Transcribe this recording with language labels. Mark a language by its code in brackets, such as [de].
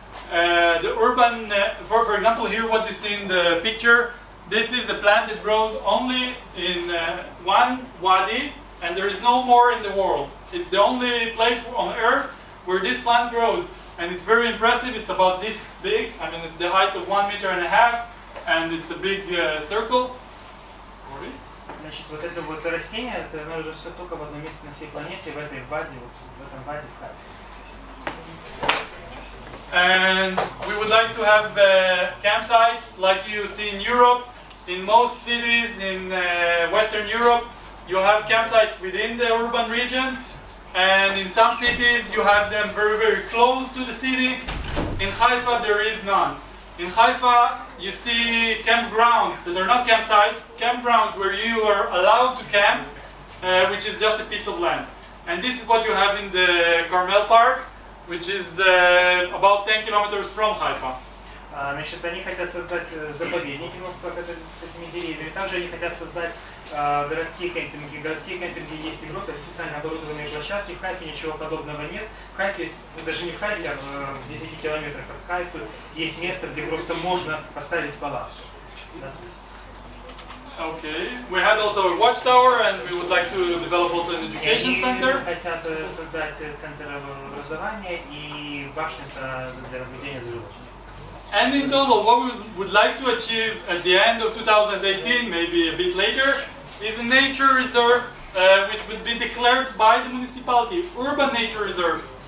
[en] The urban, for example, here what you see in the picture, this is a plant that grows only in one wadi, and there is no more in the world. It's the only place on earth where this plant grows. And it's very impressive, it's about this big, I mean, it's the height of 1.5 meters, and it's a big circle. Sorry. [ru] Значит, вот это вот растение, это оно уже все только в одном месте на всей планете, в этой Вади, вот в этом Вади, в Хайфе. [en] And we would like to have campsites, like you see in Europe, in most cities in Western Europe, you have campsites within the urban region. And in some cities you have them very, very close to the city. In Haifa there is none. In Haifa you see campgrounds that are not campsites, campgrounds where you are allowed to camp, which is just a piece of land. And this is what you have in the Carmel Park, which is about 10 kilometers from Haifa. [ru] Значит, они хотят создать заповедники, ну, как это, с этими деревьями. Также они хотят создать городские кемпинги. Городские кемпинги есть игрок, это специально оборудованные площадки. В Хайфе ничего подобного нет. В Хайфе, даже не в Хайфе, а в 10 километрах от Хайфа, есть место, где просто можно поставить палатку. [en] Okay, we have also a watchtower and we would like to develop also an education center. [ru] Они хотят создать центр образования и башню для наблюдения за животными. [en] And in total, what we would like to achieve at the end of 2018, maybe a bit later, is a nature reserve which would be declared by the municipality, urban nature reserve.